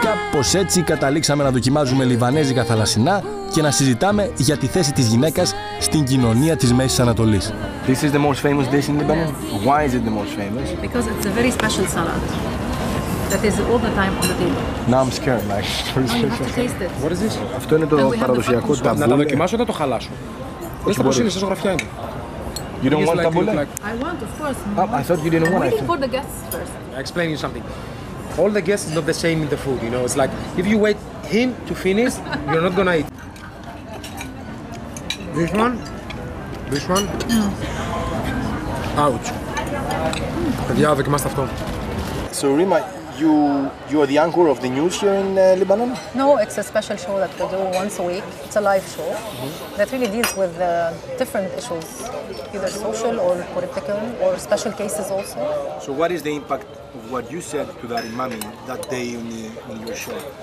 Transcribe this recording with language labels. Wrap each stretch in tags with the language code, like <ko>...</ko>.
<el>Πως έτσι καταλήξαμε να δοκιμάζουμε λιβανέζικα θαλασσινά και να συζητάμε για τη θέση της γυναίκας στην κοινωνία της Μέσης Ανατολής.</el> <en>This is the most famous dish in Lebanon. Why is it the most famous? Because it's a very special salad that is all the time on the table. Now I'm scared, like. Oh, you have to taste it. What is this?</en> <el>Αυτό είναι το παραδοσιακό ταμπούλε. Να τα δοκιμάσω ή να το χαλάσω. Δείτε πώς είναι, σε ζωγραφιά είναι.</el> <en>You don't want ταμπούλε? I want, of course. I thought you didn't want. I'm waiting for the guests first. Explain you something. All the guests is not the same in the food, you know. It's like if you wait him to finish, you're not gonna eat. This one.</en> <el>Ouch. Παιδιά, δοκιμάστε αυτό.</el> <en>So Rima, You are the anchor of the news here in Lebanon? No, it's a special show that we do once a week. It's a live show that really deals with different issues, either social or political or special cases also. So what is the impact of what you said to that imami that day on your show?</en>